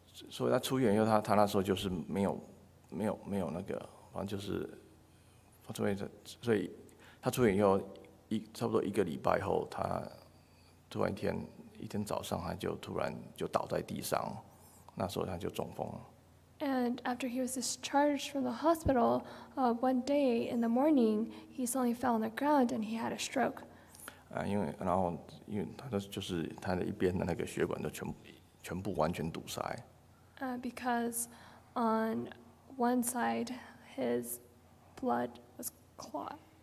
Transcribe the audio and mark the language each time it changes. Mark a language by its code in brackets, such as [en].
[zh] 所以他出院以后，他那时候就是没有那个，反正就是，所以他出院以后差不多一个礼拜后，他突然一天早上，他就突然就倒在地上，那时候他就中风了。 [en] And after he was discharged from the hospital, one day in the morning, he suddenly fell on the ground and he had a stroke. [zh] 因为他的就是他的一边的那个血管都全部完全堵塞。 [en] Because on one side, his blood was clotted.